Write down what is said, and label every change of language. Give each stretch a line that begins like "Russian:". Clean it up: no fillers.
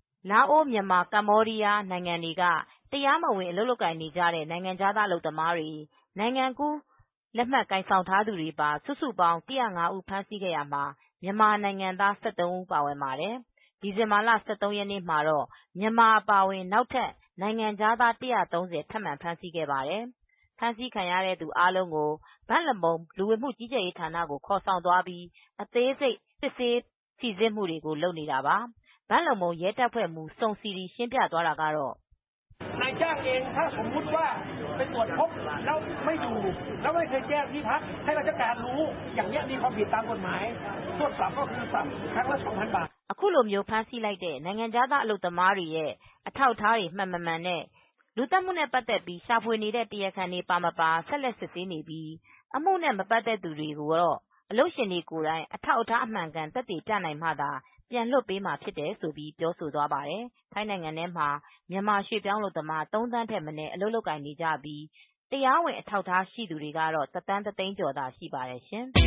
Burmese: လာအိုမြန်မာကမ္ဘောဒီးယားနိုင်ငံတွေကတရားမဝင်အလုပ်လုပ်ကင်နေကြတဲ့နိုင်ငံသားအလုပ်သမားတွေနိုင်ငံကူးလက်မှတ်ကိုင်းဆောင်ထားသူတွေပါစုစုပေါင်း105ဦးဖမ်းဆီးခဲ့ရမှာမြန်မာနိုင်ငံသား73ဦးပါဝင်ပါတယ်ဒီဇင်ဘာလ13ရက်နေ့မှာတော့မြန်မာအပါဝင်နောက်ထပ်နိုင်ငံသား130ထပ်မံဖမ်းဆီးခဲ့ပါတယ် ဖမ်းဆီးခံရတဲ့သူအလုံးကိုဗန်လမုံလူဝင်မှုကြီးကြပ်ရေးဌာနကိုခေါ်ဆောင်သွားပြီးအသေးစိတ်စစ်ဆေးစီစဉ်မှုတွေကိုလုပ်နေတာပါဗန်လမုံရဲတပ်ဖွဲ့မှစုံစီရီရှင်းပြသွားတာကတော့
Thai: นายจ้างเองถ้าสมมุติว่าไปตรวจพบแล้วไม่อยู่แล้วไม่เคยแจ้งที่พักให้ราชการรู้อย่างนี้มีความผิดตามกฎหมายโทษปรับก็คือปรับครั้งละ 2,000 บาท
Burmese: အခုလိုမျိုးဖမ်းဆီးလိုက်တဲ့နိုင်ငံသားအလုပ်သမားတွေရဲ့အထောက်အထားတွေမှန်မှန်နဲ့လူသက်မှုနဲ့ပတ်သက်ပြီးရှာဖွေနေတဲ့တရားခဏ်တွေပါမပါဆက်လက်စစ်ဆေးနေပြီးအမှုနဲ့မပတ်သက်သူတွေကိုတော့အလို့ရှင်တွေကိုယ်တိုင်အထောက်အထားအမှန်ကန်တက်တည်ပြနိုင်မှသာပြန်လွတ်ပေးမှာဖြစ်တယ်ဆိုပြီးပြောဆိုသွားပါတယ်ထိုင်းနိုင်ငံထဲမှာမြန်မာရွှေပြောင်းလို့တမား3တန်းထက်မနည်းအလို့လောက်ကင်နေကြပြီးတရားဝင်အထောက်အထားရှိသူတွေကတော့တန်းတန်းတသိန်းကျော်သာရှိပါတယ်ရှင